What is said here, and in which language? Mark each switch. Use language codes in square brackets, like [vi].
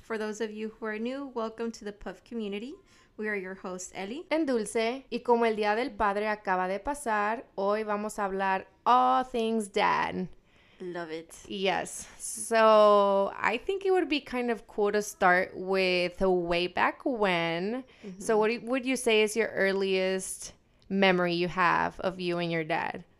[en] For those of you who are new, welcome to the Puff community. We are your hosts, Ellie. And Dulce. [es] Y como el Día del Padre acaba de pasar, hoy vamos a hablar [en] all things dad. Love it. Yes. So I think it would be kind of cool to start with way back when. Mm-hmm. So what would you say is your earliest memory you have of you and your dad?